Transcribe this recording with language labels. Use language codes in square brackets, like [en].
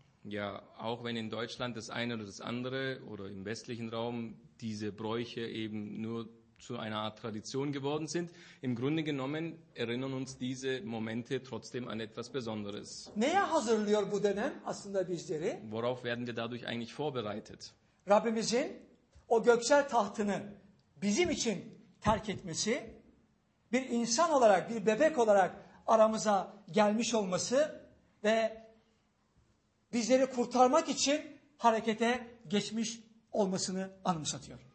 [de] Ja, auch wenn in Deutschland das eine oder das andere oder im westlichen Raum diese Bräuche eben nur zu einer Art Tradition geworden sind, im Grunde genommen erinnern uns diese Momente trotzdem an etwas Besonderes. [tr] Neye hazırlıyor bu dönem aslında bizleri? [de] Worauf werden wir dadurch eigentlich vorbereitet? [tr] Rabbimizin o göksel tahtını bizim için terk etmesi, bir insan olarak, bir bebek olarak aramıza gelmiş olması ve bizleri kurtarmak için harekete geçmiş olmasını anımsatıyor.